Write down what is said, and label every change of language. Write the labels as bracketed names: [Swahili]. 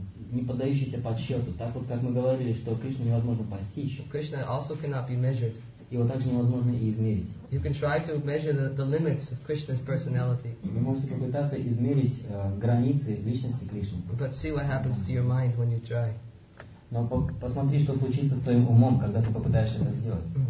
[Russian] Не поддающийся подсчету. Так вот, как мы говорили, что Кришну невозможно постичь. [English] Krishna also cannot be measured. [Russian] его также невозможно и измерить. [English] You can try to measure the limits of Krishna's personality. [Russian] Вы можете попытаться измерить границы личности Кришны. [English] But see what happens to your mind when you try. [Russian] Но посмотри, что случится с твоим умом, когда ты попытаешься это сделать.